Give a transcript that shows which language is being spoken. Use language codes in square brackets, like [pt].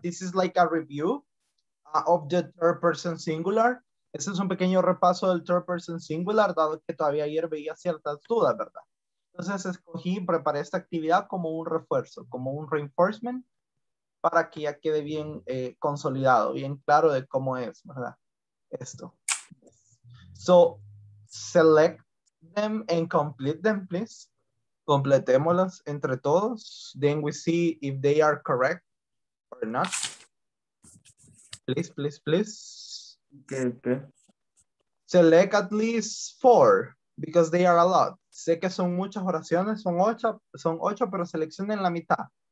[en] This is like a review of the third person singular. [es] Este es un pequeño repaso del third person singular, dado que todavía ayer veía ciertas dudas, ¿verdad? Entonces escogí y preparé esta actividad como un refuerzo, como un reinforcement, para que ya quede bien consolidado, bien claro de cómo es, ¿verdad? Esto. [en] So, select them and complete them, please. [es] Completémoslas entre todos. [en] Then we see if they are correct or not. Please, please, please. Okay. Select at least 4 because they are a lot. [es] Sé que son muchas oraciones, son ocho, pero seleccionen la mitad.